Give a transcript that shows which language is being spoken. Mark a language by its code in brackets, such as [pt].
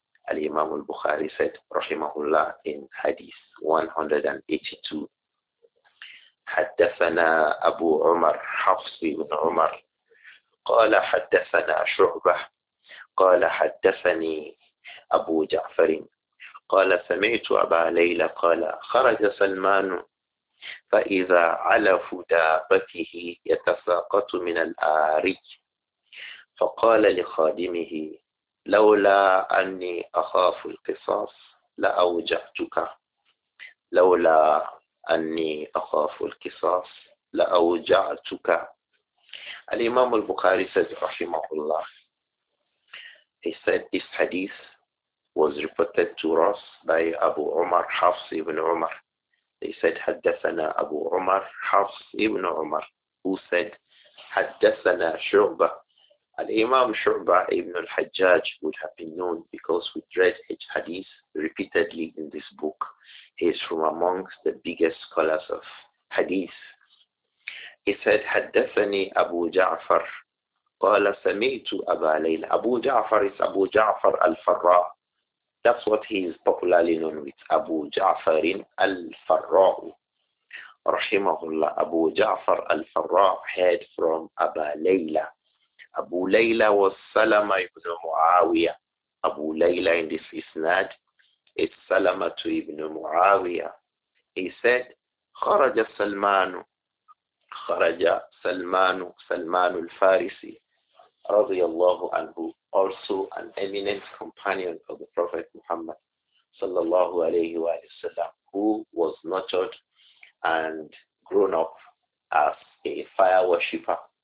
[en] Al-Imam al-Bukhari said, rahimahullah, in hadith 182, [ar] حدثنا أبو عمر حفص بن عمر قال حدثنا شعبة قال حدثني أبو جعفر قال سمعت أبا ليلى قال خرج سلمان فإذا علف دابته يتساقط من الآرج فقال لخادمه لولا أني أخاف القصاص لأوجعتك لولا أني أخاف القصاص لأوجعتك. [en] الإمام البخاري said رحمه الله, he said this hadith was reported to us by Abu Umar Hafs ibn Umar. They said [ar] حدثنا أبو عمر حفص ابن عمر, [en] who said [ar] حدثنا شعبة. [en] الإمام شعبة ابن الحجاج would have been known because we read his hadith repeatedly in this book. He is from amongst the biggest scholars of hadith. He said, [ar] حدثني أبو جعفر قال سمعت أبا ليلى. [en] أبو جعفر is أبو جعفر الفراء. That's what he is popularly known with, أبو جعفر الفراء. رحمه الله, أبو جعفر الفراء heard from أبا ليلى. [ar] أبو ليلى والسلمة ابن معاوية. [en] أبو ليلى in this isnad, it's Salama to Ibn Muawiyah. He said, Kharaja Salmanu. Kharaja Salmanu, Salmanu al-Farisi, radiallahu anhu, also an eminent companion of the Prophet Muhammad, sallallahu alayhi wa sallam, who was nurtured and grown up as a fire worshipper.